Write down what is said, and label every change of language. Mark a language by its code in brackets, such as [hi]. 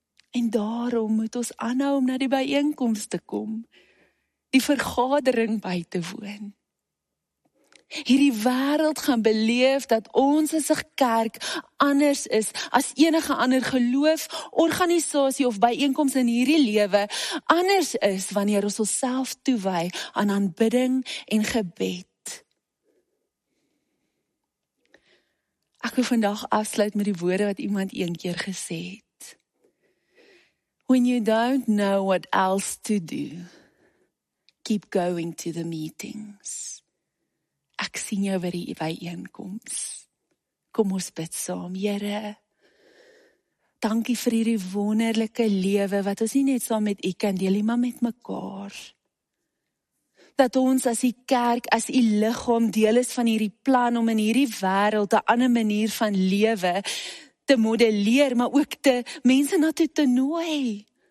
[af] En daarom moet ons aanhou om na die byeenkomste te kom. Die vergadering by te woon. Hierdie wêreld gaan beleef dat ons as 'n kerk anders is as enige ander geloof, organisasie of byeenkoms in hierdie lewe. Anders is wanneer ons onsself toewy aan aanbidding en gebed. Ek wil vandag afsluit met die woorde wat iemand een keer gesê het. [en] When you don't know what else to do, keep going to the meetings. [af] Ek sien jou by die bijeenkoms. Kom ons bid saam, Here. Dankie vir hierdie wonderlike lewe wat ons nie net saam met u kan deel, maar met mekaar. Dat ons as die kerk, as die liggaam deel is van hierdie plan om in hierdie wêreld 'n ander manier van lewe te modelleer, maar ook te mense na toe te nooi.